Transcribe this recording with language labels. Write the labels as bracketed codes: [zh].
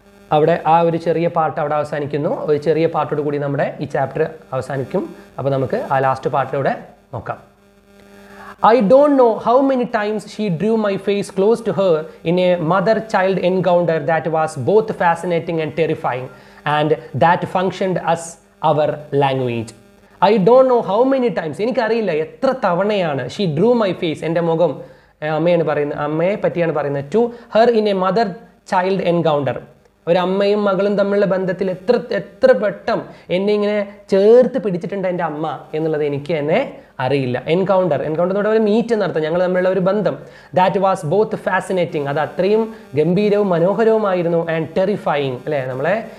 [ml] അവിടെ ആ ഒരു ചെറിയ പാട്ട് അവിടെ അവസാനിക്കുന്നു ഒരു ചെറിയ പാട്ടോട് കൂടി നമ്മുടെ ഈ ചാപ്റ്റർ അവസാനിക്കും അപ്പോൾ നമുക്ക് ആ ലാസ്റ്റ് പാട്ടിലൂടെ നോക്കാം [en] I don't know how many times she drew my face close to her in a mother-child encounter that was both fascinating and terrifying and that functioned as our language. I don't know how many times, [ml] എനിക്കറിയില്ല എത്ര തവണയാണ് [en] she drew my face, [ml] എൻ്റെ മുഖം അമ്മയാണ് പറയുന്നത് അമ്മയെ പറ്റിയാണ് പറയുന്നത് [en] to her in a mother-child encounter. [ml] ഒരമ്മയും മകളും തമ്മിലുള്ള ബന്ധത്തിൽ എത്ര പെട്ടെന്ന് എന്നെ ഇങ്ങനെ ചേർത്ത് പിടിച്ചിട്ടുണ്ട് എൻ്റെ അമ്മ എന്നുള്ളത് എനിക്ക് തന്നെ അറിയില്ല എൻകൗണ്ടർ എൻകൗണ്ടർ എന്നോട് ഒരു മീറ്റ് നടത്താം ഞങ്ങൾ തമ്മിലുള്ള ഒരു ബന്ധം [en] that was both fascinating [ml] അത് അത്രയും ഗംഭീരവും മനോഹരവുമായിരുന്നു [en] and terrifying [ml] അല്ലേ നമ്മളെ